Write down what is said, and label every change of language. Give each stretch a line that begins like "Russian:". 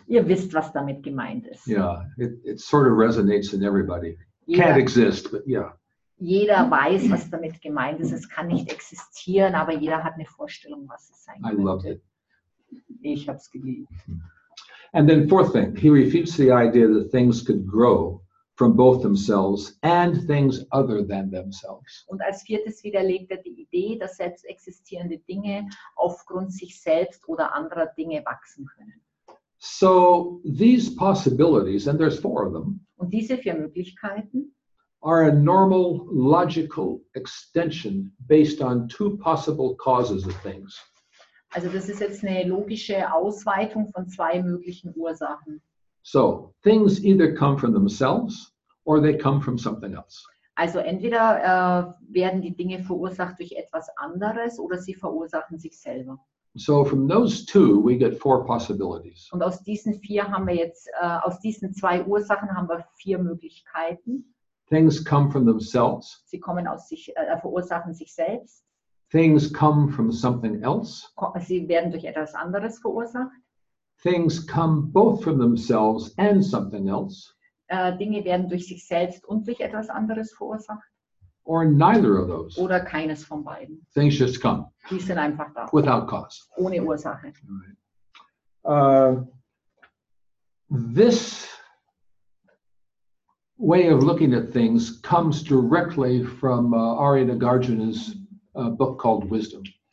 German: Ihr wisst, was damit gemeint ist.
English: Yeah, it sort of resonates in everybody.
German: Jeder,
English: can't exist, but yeah.
German: Jeder weiß, was damit gemeint ist. Es kann nicht existieren, aber jeder hat eine Vorstellung, was es sein könnte.
English: I loved it.
German: Ich hab's geliebt.
English: And then fourth thing, he refutes the idea that things could grow from both themselves and things other than themselves.
German: Und als viertes widerlegt er die Idee, dass selbst existierende Dinge aufgrund sich selbst oder anderer Dinge wachsen können.
English: So these possibilities, and there's four of them,
German: und diese vier Möglichkeiten,
English: are a normal logical extension based on two possible causes of things.
German: Also das ist jetzt eine logische Ausweitung von zwei möglichen Ursachen.
English: So, things either come from themselves or they come from something else.
German: Also entweder werden die Dinge verursacht durch etwas anderes oder sie verursachen sich selber.
English: So from those two we get four possibilities.
German: Und aus diesen vier haben wir jetzt aus diesen zwei Ursachen haben wir vier Möglichkeiten.
English: Things come from themselves.
German: Sie kommen aus sich verursachen sich selbst.
English: Things come from something else.
German: Sie werden durch etwas anderes verursacht.
English: Things come both from themselves and something else.
German: Dinge werden durch sich selbst und durch etwas anderes verursacht.
English: Or neither of those.
German: Oder keines von beiden.
English: Things just come.
German: Die sind einfach da.
English: Without cause.
German: Ohne Ursache.
English: This way of looking at things comes directly from Ari Nagarjuna's book called Wisdom.